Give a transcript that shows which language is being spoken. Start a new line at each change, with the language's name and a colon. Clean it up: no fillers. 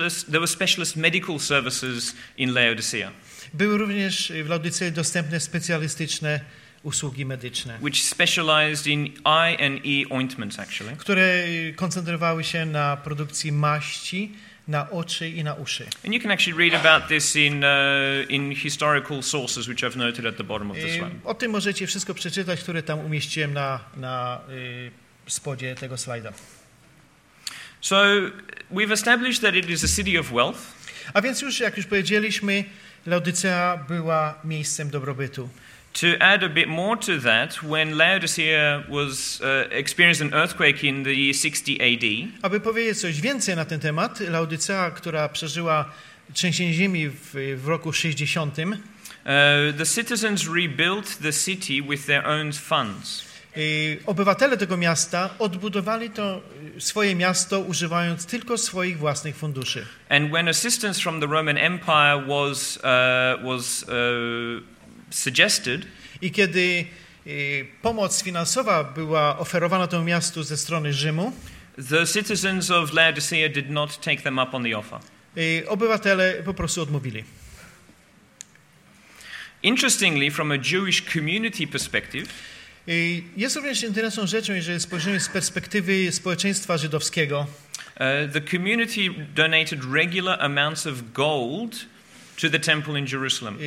English: There were specialist medical services in Laodicea.
Polish: Były również w Laodicei dostępne specjalistyczne usługi medyczne,
English: which specialized in eye and ear ointments actually.
Polish: Które koncentrowały się na produkcji maści na oczy i na uszy.
English: And you can actually read about this in historical sources, which I've noted at the bottom of the slide.
Polish: O tym możecie wszystko przeczytać, które tam umieściłem na spodzie tego slajda.
English: So we've established that it is a city of wealth.
Polish: A więc już, jak już powiedzieliśmy, Laodicea była miejscem dobrobytu.
English: To add a bit more to that, when Laodicea was experienced an earthquake in the year 60 AD.
Polish: Aby powiedzieć coś więcej na ten temat, Laodicea, która przeżyła trzęsienie ziemi w roku 60.
English: The citizens rebuilt the city with their own funds.
Polish: Obywatele tego miasta odbudowali to swoje miasto używając tylko swoich własnych funduszy.
English: And when assistance from the Roman Empire was suggested.
Polish: I kiedy pomoc finansowa była oferowana temu miastu ze strony Rzymu,
English: the citizens of Laodicea did not take them up on the offer.
Polish: Obywatele po prostu odmówili.
English: Interestingly, from a Jewish community perspective,
Polish: jest również interesującą rzeczą, jeżeli spojrzymy z perspektywy społeczeństwa żydowskiego.
English: The community donated regular amounts of gold to the temple in Jerusalem.